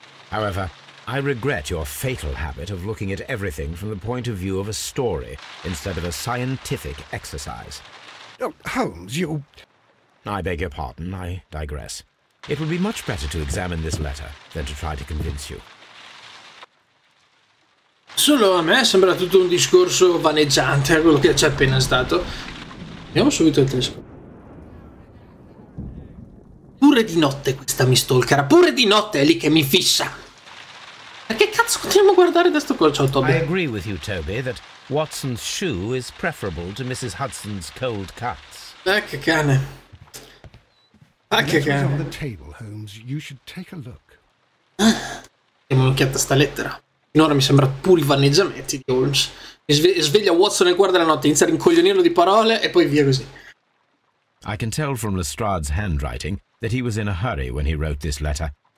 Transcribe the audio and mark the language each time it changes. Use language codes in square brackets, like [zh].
[en] However, I regret your fatal habit of looking at everything from the point of view of a story instead of a scientific exercise. Holmes, you... I beg your pardon, I digress. It would be much better to examine this letter than to try to convince you. [it] Solo a me sembra tutto un discorso vaneggiante a quello che c'è appena stato. Andiamo subito al telescopio. Pure di notte questa mi stalkera, pure di notte è lì che mi fissa. Perché cazzo continuiamo a guardare da sto colcio, Toby? [en] I agree with you, Toby, that Watson's shoe is preferable to Mrs. Hudson's cold cuts. [it] Che cane. Che cane. [en] On the table, Holmes. You should take a look. [it] Diamo un'occhiata a sta lettera. Finora mi sembra puri vaneggiamenti di Holmes. Sveglia Watson nel cuore della notte, inizia a rincoglionirlo di parole e poi via così. [en] I can tell from Lestrade's handwriting that he was in a hurry when he wrote this letter.